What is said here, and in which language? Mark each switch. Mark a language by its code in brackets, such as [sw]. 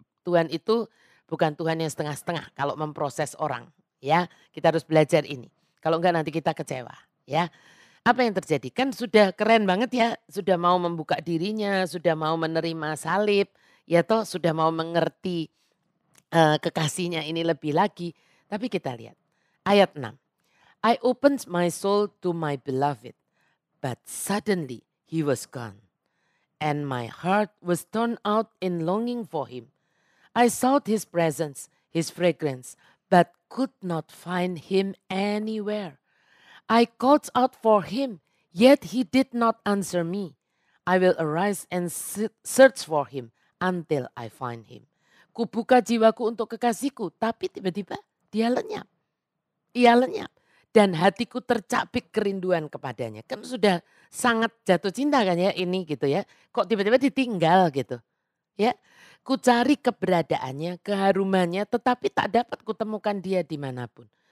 [id] Tuhan itu bukan Tuhan yang setengah-setengah kalau memproses orang, ya. Kita harus belajar ini. Kalau enggak nanti kita kecewa, ya. apa yang terjadi? Kan sudah keren banget ya, sudah mau membuka dirinya, sudah mau menerima salib, ya toh sudah mau mengerti kekasihnya ini lebih lagi. Tapi kita lihat, ayat 6. [en] I opened my soul to my beloved, but suddenly he was gone. And my heart was torn out in longing for him. I sought his presence, his fragrance, but could not find him anywhere. I called out for him, yet he did not answer me. I will arise and search for him until I find him. [id] Kubuka jiwaku untuk kekasihku, tapi tiba-tiba dia lenyap. Ia lenyap. Dan hatiku tercapik kerinduan kepadanya. Kan sudah sangat jatuh cinta kan ya ini gitu ya. Kok tiba-tiba ditinggal gitu. Ya. Ku cari keberadaannya, keharumannya, tetapi tak dapat kutemukan dia dimanapun.